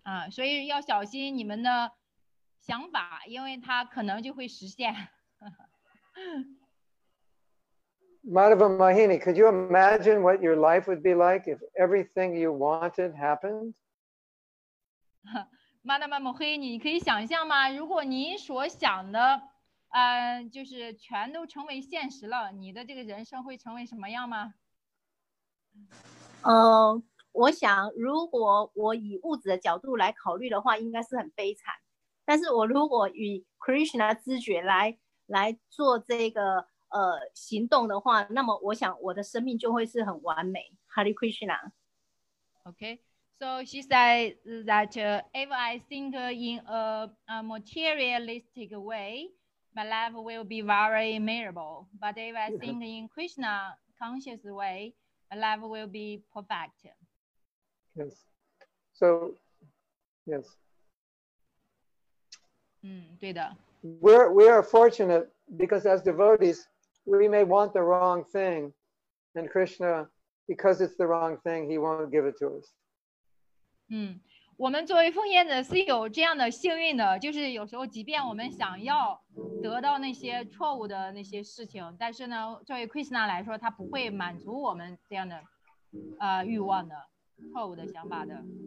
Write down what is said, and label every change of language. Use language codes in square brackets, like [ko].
[zh] 所以要小心你们的想法，因为它可能就会实现。 [en] Madhava Mohini, could you imagine what your life would be like if everything you wanted happened? [zh] Madhava Mohini, 你可以想象吗？如果你所想的，就是全都成为现实了，你的这个人生会成为什么样吗？我想如果我以物质的角度来考虑的话应该是很悲惨，但是我如果以 Krishna 知觉来做这个行动的话，那么我想我的生命就会是很完美。 [en] Hare Krishna. Okay, so she said that if I think in a materialistic way my life will be very miserable, but if I think in Krishna conscious wayLife will be perfect. Yes. So, yes. [zh] 对的。 [en] We are fortunate because as devotees, we may want the wrong thing, and Krishna, because it's the wrong thing, he won't give it to us. [zh] 我们作为奉献者是有这样的幸运的，就是有时候即便我们想要得到那些错误的那些事情，但是呢作为 Krishna 来说他不会满足我们这样的欲望的错误的想法的。